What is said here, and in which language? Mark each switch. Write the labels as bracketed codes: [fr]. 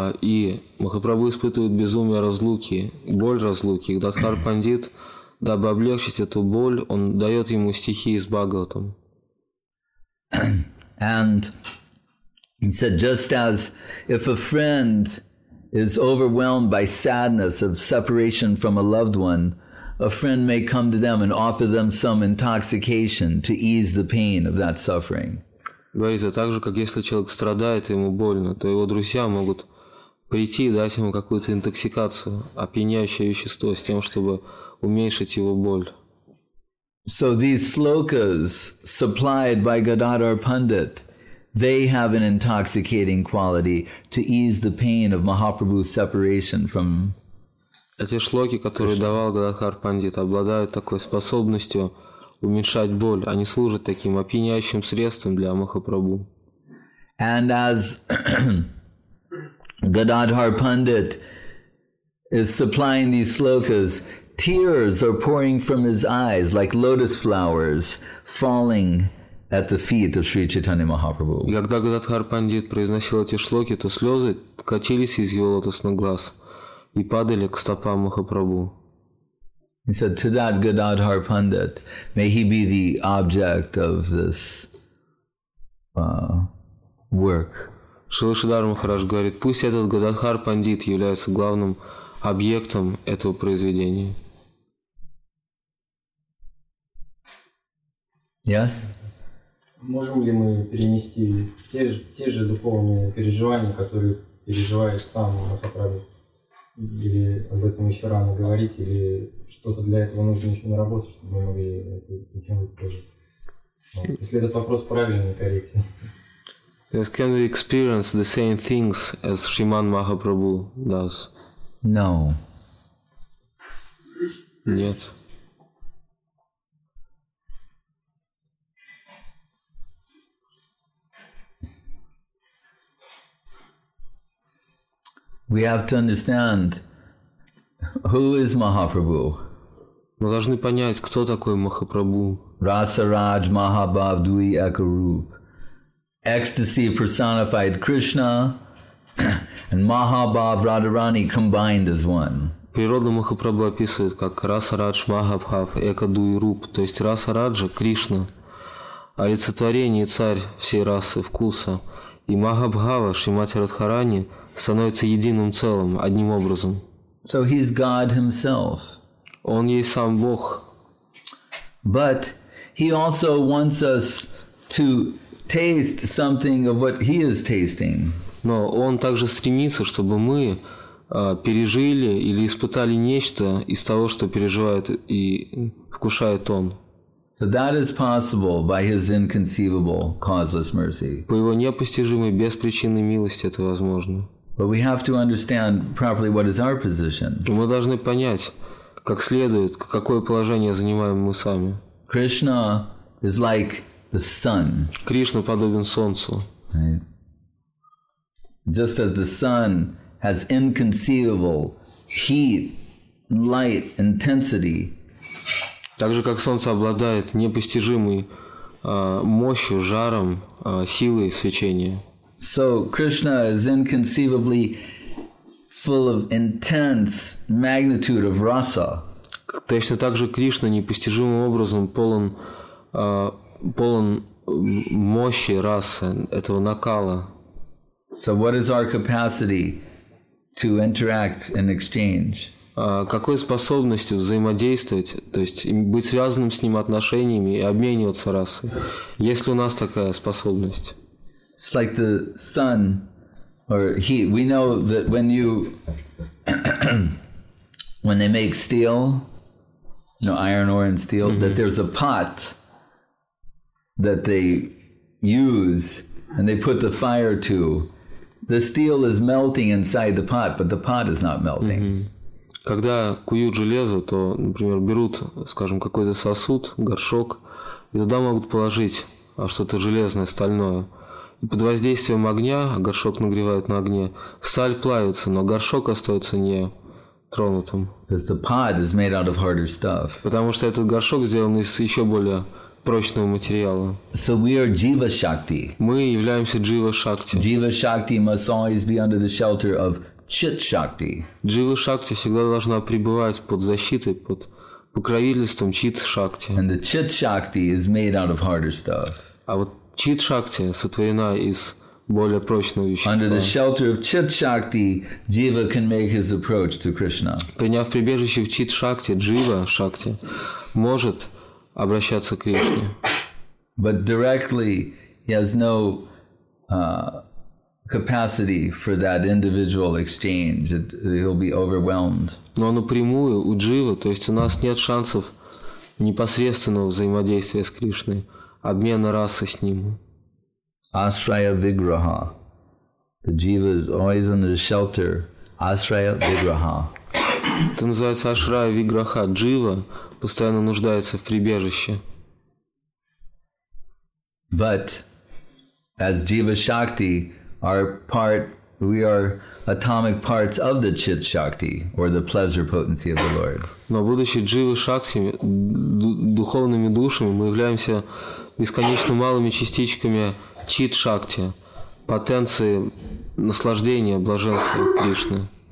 [ru] И Махапрабху испытывает безумие разлуки, боль разлуки. Гададхар Пандит, дабы облегчить эту боль, он дает ему стихи из Бхагаватам. [en] And he said, just as if a friend is overwhelmed by sadness of separation from a loved one, a friend may come to them and offer them some intoxication to ease the pain of that suffering. [ru] Говорит, так же, как если человек страдает и ему больно, то его друзья могут прийти и дать ему какую-то интоксикацию, опьяняющее вещество, с тем, чтобы уменьшить его боль. [en] So these slokas supplied by Gadadhar Pandit, they have an intoxicating quality to ease the pain of Mahaprabhu's separation from. [ru] Эти шлоки, которые давал Гададхар Пандит, обладают такой способностью уменьшать боль. Они служат таким опьяняющим средством для Махапрабху. [en] And as Gadadhar Pandit is supplying these slokas, tears are pouring from his eyes like lotus flowers falling at the feet of Sri Chaitanya Mahaprabhu. [ru] И когда Гададхар Пандит произносил эти шлоки, то слезы катились из его лотосных глаз и падали к стопам Махапрабху. [en] He said, to that Gadadhar Pandit, may he be the object of this work. [ru] Шрила Шридхара Махарадж говорит, пусть этот Гададхар Пандит является главным объектом этого произведения. [en] Yes? [ru] Можем ли мы перенести те же духовные переживания, которые переживает сам Махапрабху? Или об этом еще рано говорить, или что-то для этого нужно еще наработать, чтобы мы могли это оценить тоже? Вот. Если этот вопрос правильный, коррекция. [en] Yes, can we experience the same things as Sriman Mahaprabhu does? No. [ru] Нет. [en] We have to understand who is Mahaprabhu. [ru] Мы должны понять, кто такой Махапрабху. [bn] Rasa Raj Mahabhav Dui Ekarup. [en] Ecstasy personified Krishna and Mahabhav Radharani combined as one. [ru] Природа Махапрабху описывает как [bn] Rasa Raj Mahabhav Eka Dui Rup, [ru] то есть Rasa Raja Krishna, олицетворение царь всей расы вкуса, и Mahabhava Шримати Радхарани становится единым целым, одним образом. [en] So he is God himself. [ru] Он есть сам Бог. [en] But he also wants us to taste something of what he is tasting. [ru] Но он также стремится, чтобы мы пережили или испытали нечто из того, что переживает и вкушает он. [en] So that is possible by his inconceivable causeless mercy. [ru] По его непостижимой беспричинной милости это возможно. [en] But we have to understand properly what is our position. [ru] Мы должны понять, как следует, какое положение занимаем мы сами. [en] Krishna is like the sun. [ru] Кришна подобен солнцу. [en] Just as the sun has inconceivable heat, light, intensity. [ru] Так же, как солнце обладает непостижимой мощью, жаром, силой свечения. [en] So Krishna is inconceivably full of intense magnitude of rasa. [ru] Точно так же Кришна непостижимым образом полон мощи расы, этого накала. [en] So what is our capacity to interact and exchange? [ru] Какой способностью взаимодействовать, то есть быть связанным с ним отношениями и обмениваться расой? Есть ли у нас такая способность? [en] It's like the sun or heat. We know that when you when they make steel, you know, iron ore and steel, mm-hmm. that there's a pot that they use and they put the fire to. The steel is melting inside the pot, but the pot is not melting. Mm-hmm. [ru] Когда куют железо, то, например, берут, скажем, какой-то сосуд, горшок, и туда могут положить что-то железное, стальное. И под воздействием огня, а горшок нагревают на огне, сталь плавится, но горшок остается не тронутым. [en] Because the pot is made out of harder stuff. [ru] Потому что этот горшок сделан из еще более прочного материала. [en] So we are jiva shakti. [ru] Мы являемся jiva shakti. [en] Jiva shakti must always be under the shelter of chit shakti. [ru] Jiva shakti всегда должна пребывать под защитой, под покровительством chit shakti. [en] And the chit shakti is made out of harder stuff. [ru] А вот чит-шакти сотворена из более прочного вещества. [en] Under the shelter of chit-shakti, jiva can make his approach to Krishna. [ru] Приняв прибежище в чит-шакти, джива-шакти может обращаться к Кришне. [en] But directly he has no capacity for that individual exchange. He'll be overwhelmed. [ru] Но напрямую у джива, то есть у нас нет шансов непосредственного взаимодействия с Кришной. Обмена расы с ним. [en] Ashraya Vigraha. The jiva is always under the shelter. [sa] Ashraya Vigraha. [ru] Это называется Ashraya Vigraha. Jiva постоянно нуждается в прибежище. [en] But as jiva shakti, our part, we are atomic parts of the chit shakti, or the pleasure potency of the Lord. [ru] Но будучи jiva shakti, духовными душами, мы являемся бесконечно малыми частичками чит-шакти, потенции наслаждения, блаженства Кришны.